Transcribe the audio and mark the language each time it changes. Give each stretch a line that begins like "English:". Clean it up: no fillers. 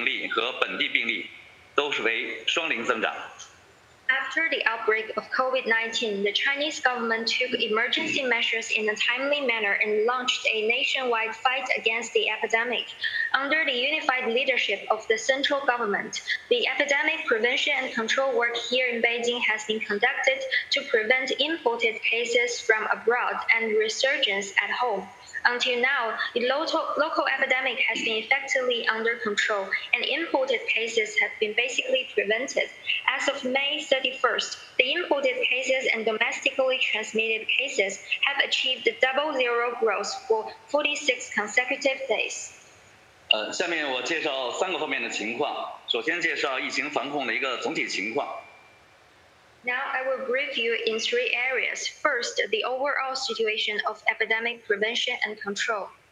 Chinese: 北京市疫情防控工作在中央政府的统一领导下，外防输入、内防扩散。到目前，本地的疫情已经得到了有效控制，境外输入也已经被阻断。截止到5月31日，已经连续46天输入性病例和本地病例都是为双零增长。
English: After the outbreak of COVID-19, the Chinese government took emergency measures in a timely manner and launched a nationwide fight against the epidemic. Under the unified leadership of the central government, the epidemic prevention and control work here in Beijing has been conducted to prevent imported cases from abroad and resurgence at home. Until now, the local epidemic has been effectively under control, and imported cases have been basically prevented. As of May 31st, the imported cases and domestically transmitted cases have achieved the double zero growth for 46 consecutive days.
Chinese: 下面我介绍三个方面的情况。首先介绍疫情防控的一个总体情况。
English: Now I will brief you in 3 areas. First, the overall situation of epidemic prevention and control.